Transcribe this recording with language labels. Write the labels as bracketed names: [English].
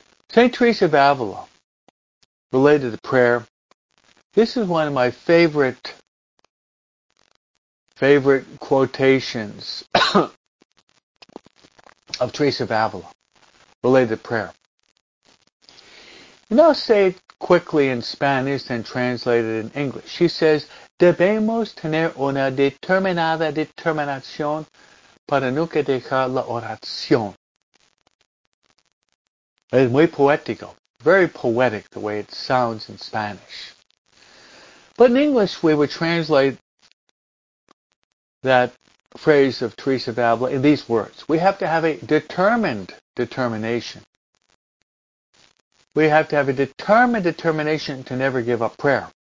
[English] St. Teresa of Avila, related to prayer, this is one of my favorite quotations of Teresa of Avila, related to prayer. And I'll say it quickly in Spanish and translate it in English. She says, [Spanish] debemos tener una determinación para nunca dejar la oración. Es muy poético. [English] Very poetic the way it sounds in Spanish. But in English, we would translate that phrase of Teresa of Avila in these words. We have to have a determined determination. We have to have a determined determination to never give up prayer.